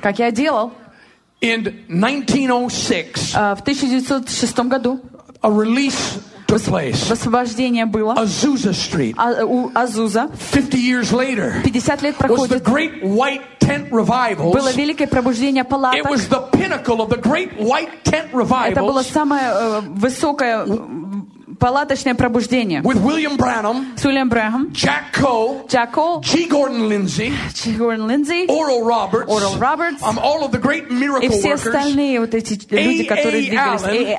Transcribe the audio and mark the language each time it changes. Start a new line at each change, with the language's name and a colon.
Russian: как я делал,
English: in 1906,
Russian: в 1906 году,
English: a release took place.
Russian: Высвобождение было.
English: Azusa Street.
Russian: Азуза.
English: 50 years later.
Russian: 50 лет проходит.
English: Was the Great White Tent Revival?
Russian: Было великое пробуждение палаток.
English: It was the pinnacle of the Great White Tent Revival.
Russian: Это было самое высокое палаточное пробуждение.
English: With William Branham,
Russian: с Уильям Бранхам,
English: Jack Cole,
Russian: Jack Cole,
English: G. Gordon Lindsay,
Russian: G. Gordon Lindsay,
English: Oral Roberts,
Russian: Oral Roberts,
English: all of the great miracle workers,
Russian: и все остальные вот эти люди, которые двигались.